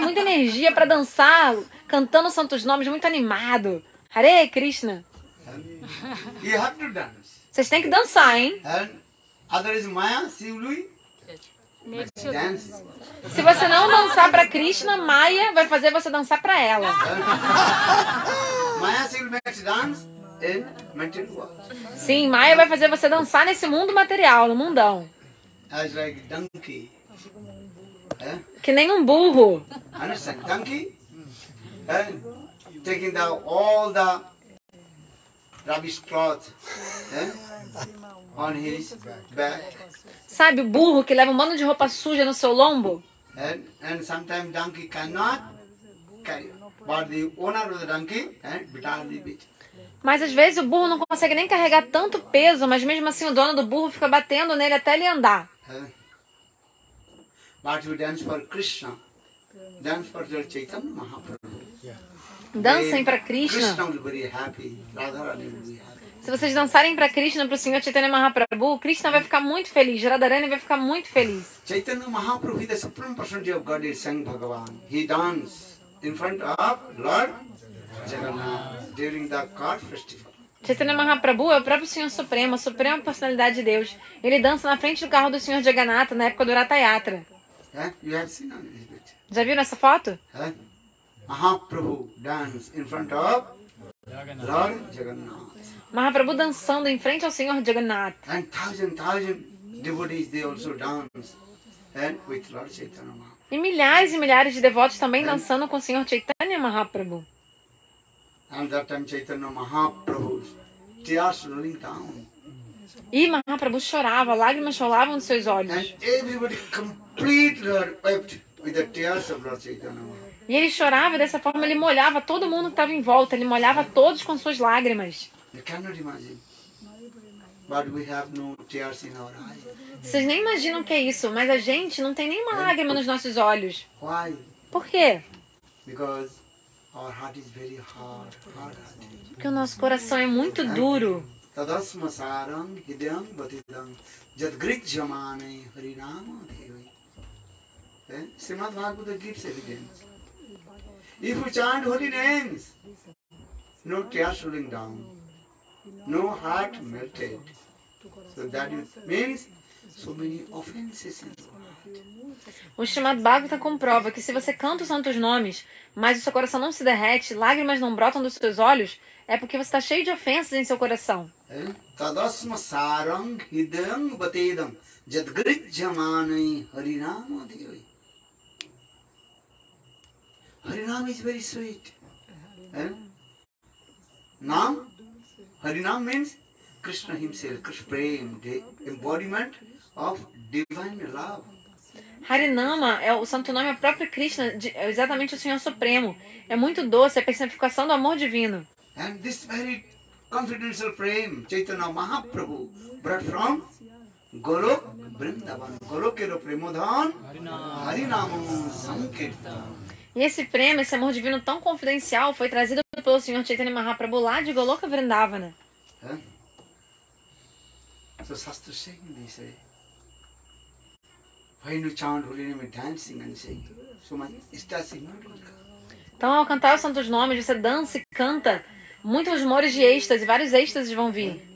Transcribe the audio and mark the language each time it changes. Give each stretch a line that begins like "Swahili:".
Portuguese: Muita energia pra dançar, cantando santos nomes, muito animado. Hare Krishna.
English: You have to dance.
Portuguese: Vocês têm que dançar, hein?
English: Others Maya, Silvi.
Portuguese: Se você não dançar pra Krishna, Maya vai fazer você dançar pra ela.
English: Maya will make you dance in material world.
Portuguese: Sim, Maya vai fazer você dançar nesse mundo material, no mundão.
English: As like donkey.
Portuguese: Que nem um burro.
English: Understand? Donkey? Taking down all the rubbish cloth. On his back.
Portuguese: Sabe o burro que leva um bando de roupa suja no seu lombo?
English: And sometimes donkey cannot carry. But the owner of the donkey, bitter the bitch.
Portuguese: Mas às vezes o burro não consegue nem carregar tanto peso, mas mesmo assim o dono do burro fica batendo nele até ele andar.
English: But you dance for Krishna. Dance for your Chaitanya Mahaprabhu.
Portuguese: Dancem para Krishna.
English: Krishna will be happy. Radharani will be happy.
Portuguese: Se vocês dançarem para Krishna, para o Senhor Chaitanya Mahaprabhu, Krishna vai ficar muito feliz, Radharani vai ficar muito feliz.
English: Chaitanya Mahaprabhu, the supreme personality of God, is Sang Bhagavan. He danced in front of Lord Jagannath during the Kart festival.
Portuguese: Chaitanya Mahaprabhu é o próprio Senhor Supremo, a suprema personalidade de Deus. Ele dança na frente do carro do Senhor Jagannath na época do Ratha Yatra.
English: You have seen on this picture.
Portuguese: Já viram essa foto?
English: Mahaprabhu dance in front of Lord Jagannath.
Portuguese: Mahaprabhu dançando em frente ao Senhor Jagannath.
English: And thousand devotees they also dance and with Lord Chaitanya Mahaprabhu.
Portuguese: E milhares e milhares de devotos também dançando com o Senhor Chaitanya Mahaprabhu.
English: And that time Chaitanya Mahaprabhu tears running down.
Portuguese: E Mahaprabhu chorava, lágrimas rolavam dos seus olhos.
English: And everybody completely wept with the tears of Lord Chaitanya Mahaprabhu.
Portuguese: E ele chorava dessa forma, ele molhava todo mundo que estava em volta, ele molhava todos com suas lágrimas.
English: You cannot imagine. But we have no tears in our eyes.
Portuguese: Vocês nem imaginam o que é isso, mas a gente não tem nenhuma lágrima nos nossos olhos.
English: Why?
Portuguese: Por quê?
English: Because our heart is very hard.
Portuguese: Porque o nosso coração é muito duro.
Sanskrit: Tadasma saram hidyam batidam jad grit jamane harinama devi.
English: Srimad Bhagavata gives evidence. If you chant holy names, no tears rolling down. No heart melted. So that means so many offenses in your heart.
Portuguese: O Srimad Bhagavata comprova que se você canta os santos nomes, mas o seu coração não se derrete, lágrimas não brotam dos seus olhos, é porque você está cheio de ofensas em seu coração.
Sanskrit: Tadasma sarang hidam batedam jadgrit jamanai harinama devi.
English: Harinama is very sweet. Nam? Harinam means Krishna himself, Krishna Prem, the embodiment of divine love.
Portuguese: Harinama é o santo nome, é o próprio Krishna, é exatamente o Senhor Supremo. É muito doce, é a personificação do amor divino.
English: And this very confidential Prem, Chaitanya Mahaprabhu, brought from Golok Vrindavan.
Bangla: Golokero Premodhan Harinam Sankirtan.
Portuguese: E esse prêmio, esse amor divino tão confidencial, foi trazido pelo Senhor Chaitanya Mahaprabhu lá de Goloka Vrindavana.
English: So Shastra saying this, when you chant holy name, dancing and sing, so much ecstasy.
Portuguese: Então, ao cantar os santos nomes, você dança e canta, muitos humores de êxtase, vários êxtases vão vir.